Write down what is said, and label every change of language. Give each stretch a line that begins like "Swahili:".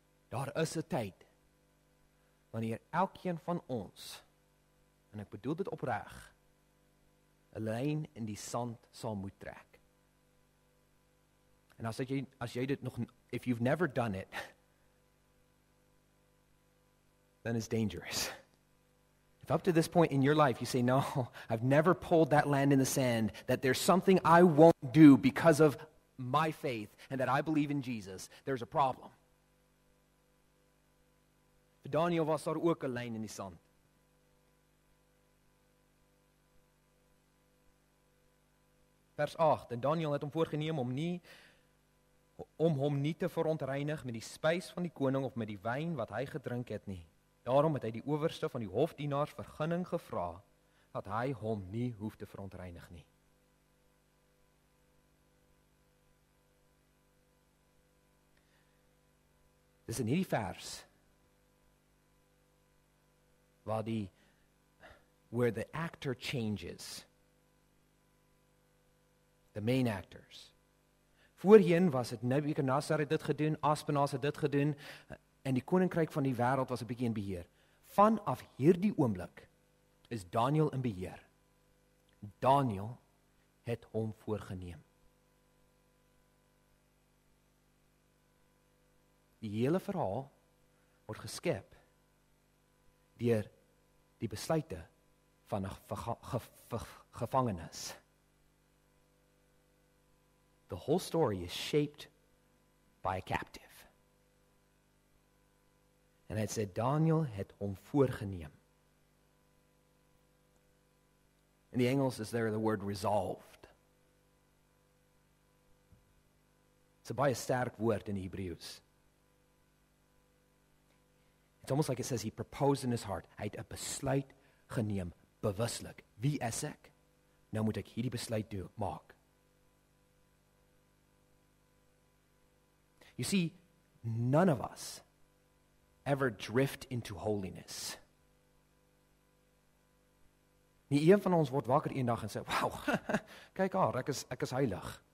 Afrikaans: Daar is 'n tyd wanneer elkeen van ons, en ek bedoel dit opreg, 'n lyn in die sand sal moet trek. En as jy dit nog,
English: if you've never done it, then it's dangerous. If up to this point in your life you say, no, I've never pulled that land in the sand, that there's something I won't do because of my faith and that I believe in Jesus, there's a problem.
Afrikaans: Vir Daniel was daar ook 'n lyn in die sand. Vers 8, en Daniel het hom voorgeneem om hom nie te verontreinig met die spys van die koning of met die wyn wat hy gedrink het nie. Daarom het hy die owerste van die hofdienaars vergunning gevra dat hy hom nie hoef te verontreinig nie. Dis in hierdie vers waar die
English: where the actor changes. The main actors.
Afrikaans: Voorheen was het Nebukadnezar het dit gedoen, Aspenas het dit gedoen, en die koninkryk van die wereld was 'n bietjie in beheer. Vanaf hierdie oomblik is Daniel in beheer. Daniel het hom voorgeneem. Die hele verhaal word geskep deur die besluite van 'n gevangenis.
English: The whole story is shaped by a captive.
Afrikaans: En hy het sê, Daniel het hom voorgeneem. In die Engels
English: is there the word resolved. It's a
Afrikaans: baie sterk woord in die Hebreeus.
English: It's almost like it says he proposed in his heart.
Afrikaans: Hy het 'n besluit geneem, bewuslik. Wie is ek? Nou moet ek hierdie besluit doen, maak.
English: You see, none of us ever drift into holiness.
Afrikaans: Nie een van ons word wakker eendag en sê, wow, kyk haar, ek is heilig.